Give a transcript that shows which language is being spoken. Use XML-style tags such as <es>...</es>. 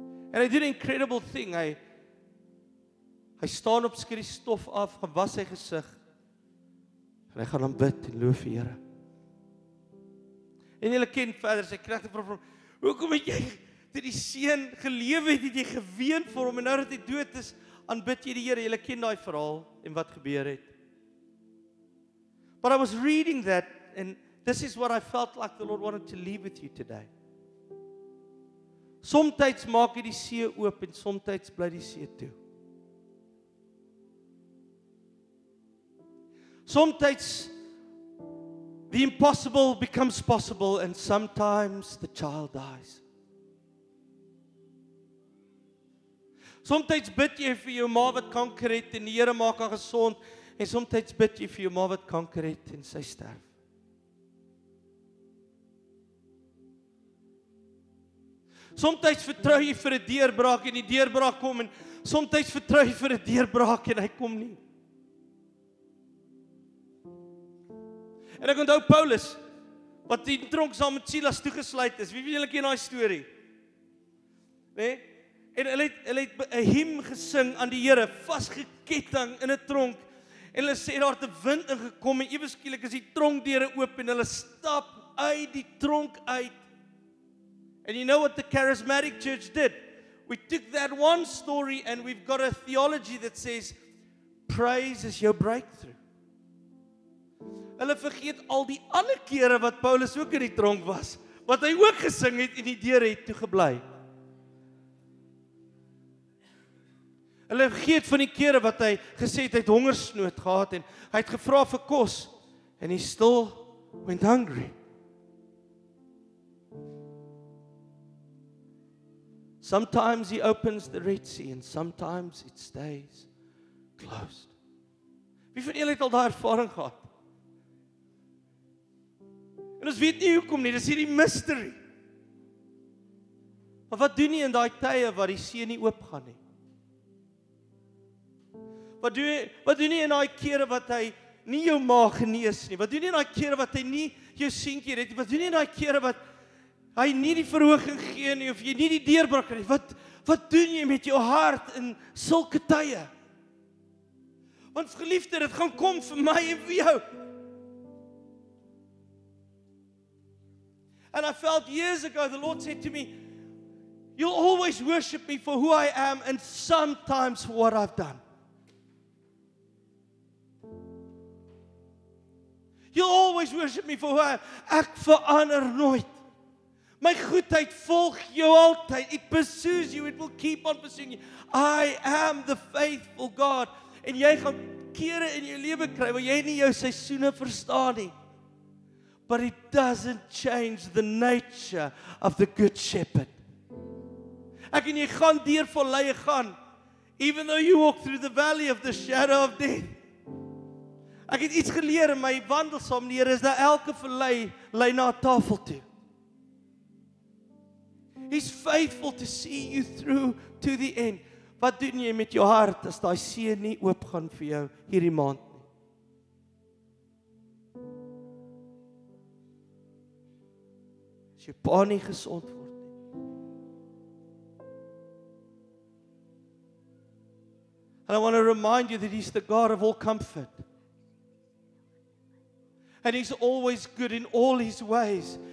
<af>En hy doen 'n incredible thing. Hy staan op, skud die stof af, gaan was sy gesig en hy gaan hom bid en loof die Here. En julle ken verder sy knegte vra hom, "Hoekom het jy dit die seun gelewe het, het jy geween vir hom en nou dat hy dood is, aanbid jy die Here?" Julle ken daai verhaal en wat gebeur het.</af> <en>But I was reading that, and this is what I felt like the Lord wanted to leave with you today.</en> <af>Somtyds maak jy die see oop, en somtyds bly die see toe. Somtyds,</af> <en>the impossible becomes possible, and sometimes the child dies.</en> <af>Somtyds bid jy vir jou ma wat kanker het en die Here maak haar gesond. En somtyds bid jy vir jou ma wat kanker het en sy sterf. Somtyds vertrou jy vir 'n deurbraak en die deurbraak kom en somtyds vertrou jy vir 'n deurbraak en hy kom nie. En ek onthou Paulus wat die tronk saam met Silas toegesluit is. Wie weet julle ken daai storie? Nê? En hulle 'n hymn gesing aan die Here, vasgeketting in 'n tronk. En hulle sê daar het 'n wind ingekom en ewe skielik is die tronkdeure oop en hulle stap uit die tronk uit.</af> <en>And you know what the charismatic church did? We took that one story and we've got a theology that says praise is your breakthrough.</en> <af>Hulle vergeet al die ander kere wat Paulus ook in die tronk was, wat hy ook gesing het en die deure het toegebly. Hulle vergeet van die kere wat hy gesê het hy het hongersnood gehad en hy het gevra vir kos</af> <en>and he still went hungry. Sometimes he opens the Red Sea and sometimes it stays closed.</en> <af>Wie van julle het al daai ervaring gehad? En ons weet nie hoekom nie, dis hierdie mystery. Maar wat doen jy in daai tye waar die see nie oopgaan nie? Wat doen jy in daai kere wat hy nie jou maag genees nie? Wat doen jy in daai kere wat hy nie jou seentjie red nie? Wat doen jy in daai kere wat hy nie die verhoging gee nie of jy nie die deurbraak kry nie? Wat doen jy met jou hart in sulke tye? Want geliefde, dit gaan kom vir my en vir jou.</af> <en>And I felt years ago the Lord said to me, you'll always worship me for who I am and sometimes for what I've done. You'll always worship me for who I am.</en> <af>Ek verander nooit. My goedheid volg jou altyd.</af> <en>It pursues you. It will keep on pursuing you. I am the faithful God.</en> <af>En jy gaan kere in jou lewe kry waar jy nie jou seisoene verstaan nie.</af> <en>But it doesn't change the nature of the good shepherd.</en> <af>Ek en jy gaan deur valleie gaan.</af> <en>Even though you walk through the valley of the shadow of death.</en> <af>Ek het iets geleer in my wandel saam met die Here is dat elke vallei lei na 'n tafel toe.</af> <en>He's faithful to see you through to the end.</en> <af>Wat doen jy met jou hart as daai see nie oop gaan vir jou hierdie maand nie? As jou pa nie gesond word nie.</af> <en>And I want to remind you that he's the God of all comfort. And he's always good in all his ways.</en>